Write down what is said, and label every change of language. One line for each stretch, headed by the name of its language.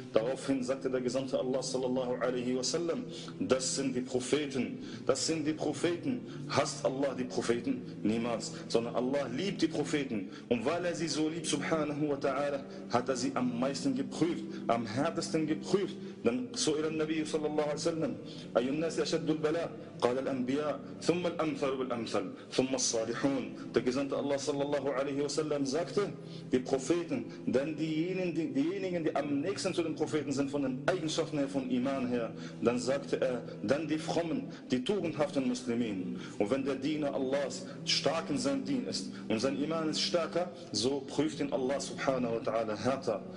German: Daraufhin sagte der Gesandte Allah sallallahu alaihi wa sallam, das sind die Propheten, das sind die Propheten. Hasst Allah die Propheten? Niemals. Sondern Allah liebt die Propheten. Und weil er sie so liebt, subhanahu wa ta'ala, hat er sie am meisten geprüft, am härtesten geprüft.
Arabic: Dann so ila Nabi sallallahu alaihi wa sallam, ayun nasi ashaddu al-bala? قال الأنبياء ثم الأمثل بالأمثل ثم الصالحون.
German: Der Gesandte Allah sallallahu alaihi wasallam sagte, die Propheten, dann diejenigen, die am nächsten zu den Propheten sind von den Eigenschaften her, von Iman her, dann sagte er, dann die Frommen, die tugendhaften Muslimen. Und wenn der Diener Allahs stark in seinem Dien ist und sein Iman ist stärker, so prüft ihn Allah subhanahu wa ta'ala härter.